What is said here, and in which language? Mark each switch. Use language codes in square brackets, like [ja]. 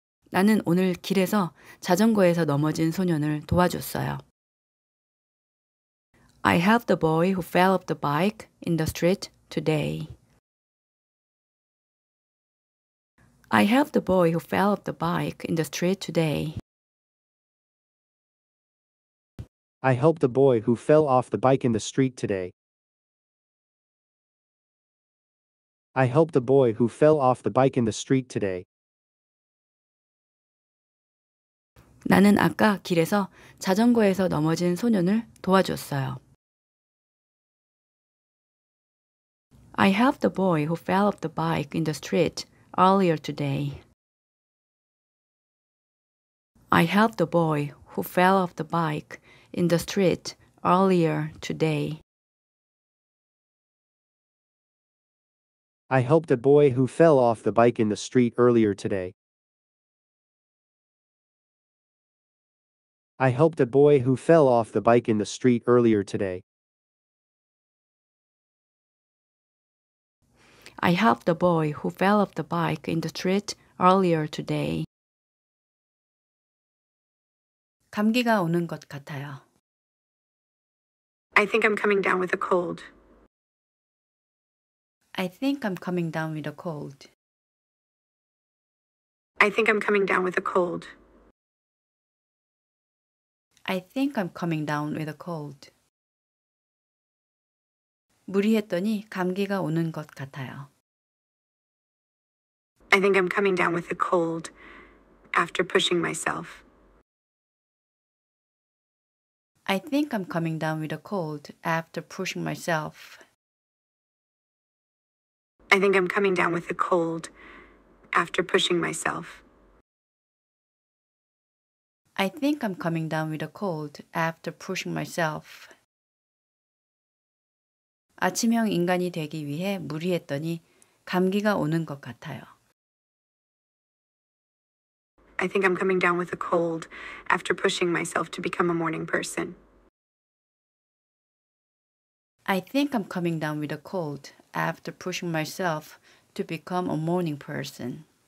[ko] 나는 오늘 길에서 자전거에서 넘어진 소년을 도와줬어요. [en] I helped the boy who fell off the bike in the street today. I helped the boy who fell off the bike in the street today. I helped the boy who fell off the bike in the street today. I helped the boy who fell off the bike in the street today. [ko] 나는 아까 길에서 자전거에서 넘어진 소년을 도와줬어요. [en] I helped the boy who fell off the bike in the street earlier today. I helped the boy who fell off the bike in the street earlier today. I helped the boy who fell off the bike in the street earlier today. I helped a boy who fell off the bike in the street earlier today. I helped a boy who fell off the bike in the street earlier today. [ko] 감기가 오는 것 같아요. [en] I think I'm coming down with a cold. I think I'm coming down with a cold. I think I'm coming down with a cold. I think I'm coming down with a cold. [ko] 무리했더니 감기가 오는 것 같아요. [en] I think I'm coming down with a cold after pushing myself. I think I'm coming down with a cold after pushing myself. I think I'm coming down with a cold after pushing myself. I think I'm coming down with a cold after pushing myself. [ko] 아침형 인간이 되기 위해 무리했더니 감기가 오는 것 같아요. [en] I think I'm coming down with a cold after pushing myself to become a morning person. I think I'm coming down with a cold after pushing myself to become a morning person.